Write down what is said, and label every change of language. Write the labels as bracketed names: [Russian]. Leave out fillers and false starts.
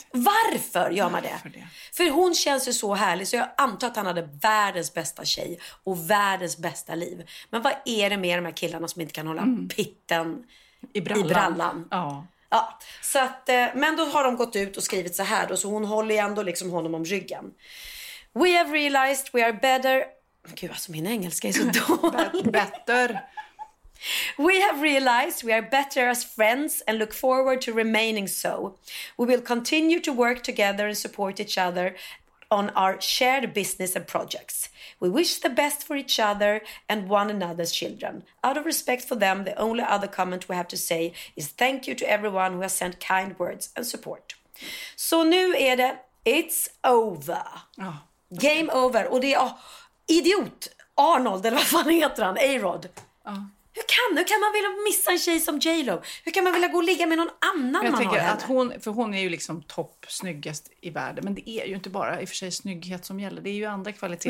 [Swedish] Varför gör man det? För hon känns ju så härlig, så jag antar att han hade världens bästa tjej och världens bästa liv. Men vad är det med de här killarna som inte kan hålla pitten i brallan? Ja. Så att, men då har de gått ut och skrivit så här då, så hon håller ju ändå liksom honom om ryggen. [English] We have realized we are better. [Swedish] Gud, alltså min engelska är så dålig. [English] Better. We have realized we are better as friends and look forward to remaining so. We will continue to work together and support each other on our shared business and projects. We wish the best for each other and one another's children. Out of respect for them, the only other comment we have to say is thank you to everyone who has sent kind words and support. [Swedish] Så nu är det, [English] it's over. Game over. [Swedish] Och det är idiot Arnold, eller vad fan heter han? A-Rod. Hur kan man vilja missa en tjej som J-Lo? Hur kan man vilja gå och ligga med någon annan? Jag tänker att hon är ju liksom toppsnyggast i världen. Men det är ju inte bara i och för sig snygghet som gäller. Det är ju andra kvaliteter